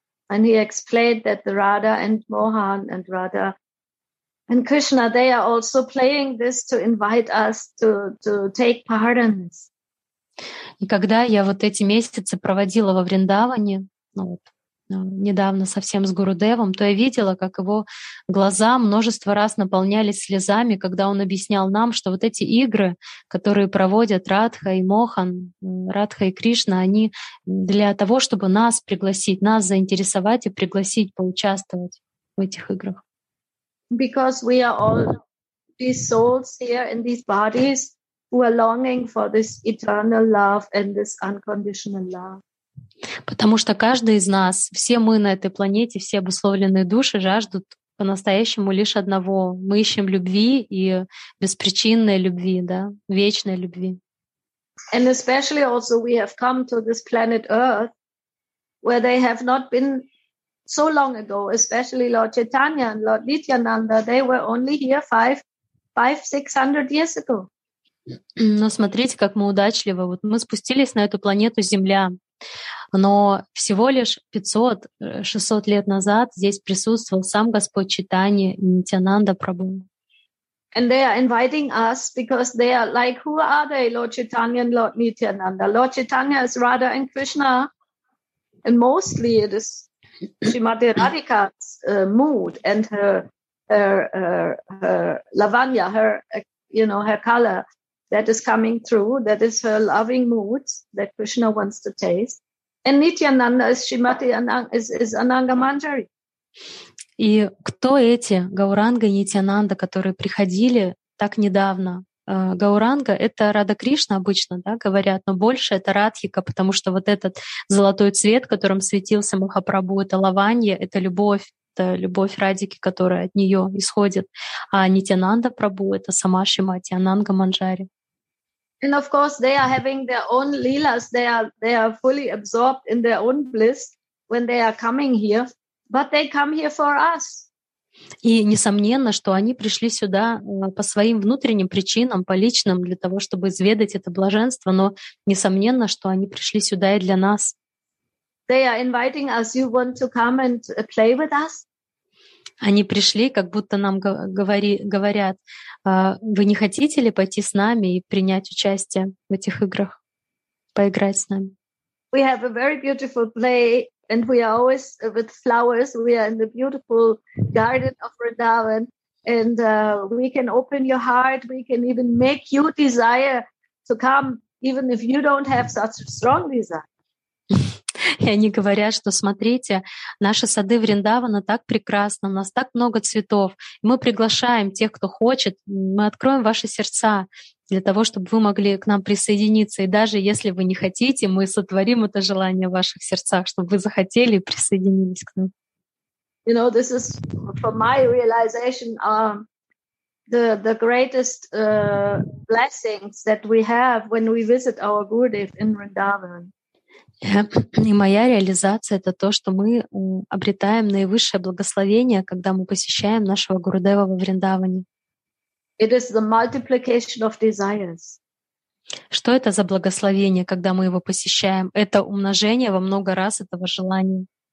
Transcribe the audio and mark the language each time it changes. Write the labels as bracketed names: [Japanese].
[English] And he explained that the Radha and Mohan and Radha and Krishna, they are also playing this to invite us to take part in this. [Russian] И когда я вот эти месяцы проводила во Вриндаване, ну вот, недавно совсем с Гурудевом, то я видела, как его глаза множество раз наполнялись слезами, когда он объяснял нам, что вот эти игры, которые проводят Радха и Мохан, Радха и Кришна, они для того, чтобы нас пригласить, нас заинтересовать и пригласить поучаствовать в этих играх. [English] Because we are all these souls here in these bodies who are longing for this eternal love and this unconditional love. [Russian] Потому что каждый из нас, все мы на этой планете, все обусловленные души жаждут по-настоящему лишь одного. Мы ищем любви и беспричинной любви, да, вечной любви. [English] And especially also we have come to this planet Earth where they have not been so long ago, especially Lord Chaitanya and Lord Nityananda, they were only here 500-600 years ago. [Russian] Но смотрите, как мы удачливы. Вот мы спустились на эту планету Земля, но всего лишь 500-600 лет назад здесь присутствовал сам Господь Чайтанья и Нитьянанда Прабху. [English] And they are inviting us because they are like, who are they, Lord Chaitanya and Lord Nityananda? Lord Chaitanya is Radha and Krishna, and mostly it is Srimati Radhika's mood and her lavanya, her color. That is coming through. That is her loving mood that Krishna wants to taste. And Nityananda is Srimati is Ananga Manjari. [Russian] И кто эти Гауранга и Нитьянанда, которые приходили так недавно? Гауранга — это Рада Кришна обычно, да, говорят, но больше это Радхика, потому что вот этот золотой цвет, которым светился Махапрабху, это лаванья, это любовь Радики, которая от нее исходит. А Нитьянанда Прабху — это сама Шримати Ананга Манджари. [English] And of course, they are having their own lilas. They are fully absorbed in their own bliss when they are coming here. But they come here for us. [Russian] И несомненно, что они пришли сюда по своим внутренним причинам, по личным, для того, чтобы изведать это блаженство. Но несомненно, что они пришли сюда и для нас. [English] They are inviting us. You want to come and play with us? [Russian] Они пришли, как будто нам говорят, вы не хотите ли пойти с нами и принять участие в этих играх, поиграть с нами? [English] We have a very beautiful play, and we are always with flowers. We are in the beautiful garden of Vrindavan, and we can open your heart. We can even make you desire to come, even if you don't have such a strong desire. [Russian] И они говорят, что смотрите, наши сады Вриндавана так прекрасны, у нас так много цветов. Мы приглашаем тех, кто хочет, мы откроем ваши сердца для того, чтобы вы могли к нам присоединиться. И даже если вы не хотите, мы сотворим это желание в ваших сердцах, чтобы вы захотели и присоединились к нам. [English] You know, this is for my realization the greatest blessings that we have when we visit our Gurudev in Vrindavan. [Russian] И моя реализация — это то, что мы обретаем наивысшее благословение, когда мы посещаем нашего Гурудева во Вриндаване. [English] It is the multiplication of desires. [Russian] Что это за благословение, когда мы его посещаем? Это умножение во много раз этого желания.